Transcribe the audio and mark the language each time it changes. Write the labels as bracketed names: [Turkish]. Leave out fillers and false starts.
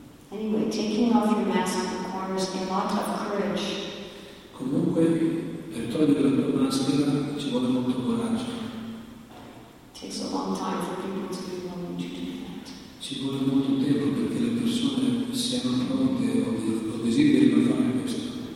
[English] Anyway, taking off your mask requires a lot of courage. [Italian] Comunque, per togliere la tua maschera ci vuole molto coraggio. [English] It's a long time for people to be willing to do that. [Italian] Ci vuole molto tempo perché le persone siano pronte o desiderino fare questo.